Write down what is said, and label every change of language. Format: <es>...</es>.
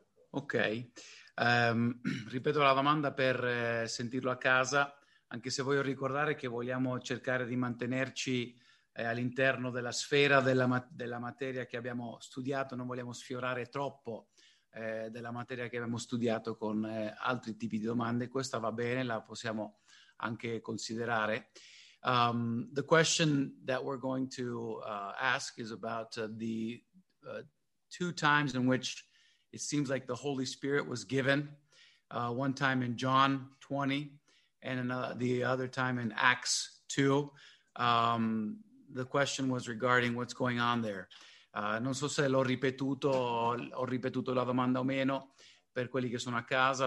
<it>Ok, ripeto la domanda per sentirlo a casa, anche se voglio ricordare che vogliamo cercare di mantenerci all'interno della sfera della materia che abbiamo studiato, non vogliamo sfiorare troppo della materia che abbiamo studiato con altri tipi di domande. Questa va bene, la possiamo anche considerare.</it> <en>The question that we're going to ask is about the two times in which it seems like the Holy Spirit was given, one time in John 20 and the other time in Acts 2. The question was regarding what's going on there.</en> <it>Non so se ho ripetuto la domanda o meno per quelli che sono a casa.</it>